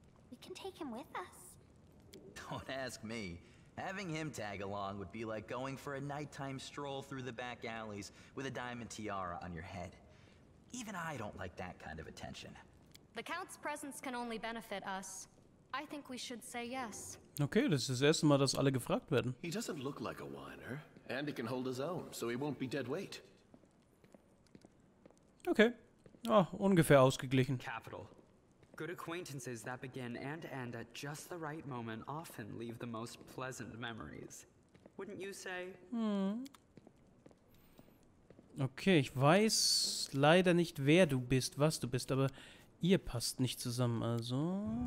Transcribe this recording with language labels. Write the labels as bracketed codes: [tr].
[en] We can take him with us. Don't ask me. Having him tag along would be like going for a nighttime stroll through the back alleys with a diamond tiara on your head. Even I don't like that kind of attention. The Count's presence can only benefit us. I think we should say yes. [de] Okay, das ist das erste Mal, dass alle gefragt werden. [en] He doesn't look like a whiner, and he can hold his own, so he won't be dead weight. [de] Okay. Oh, ungefähr ausgeglichen. [en] Capital. Good acquaintances that begin and end at just the right moment often leave the most pleasant memories. Wouldn't you say? [de] Okay, ich weiß leider nicht, wer du bist, was du bist, aber ihr passt nicht zusammen, also.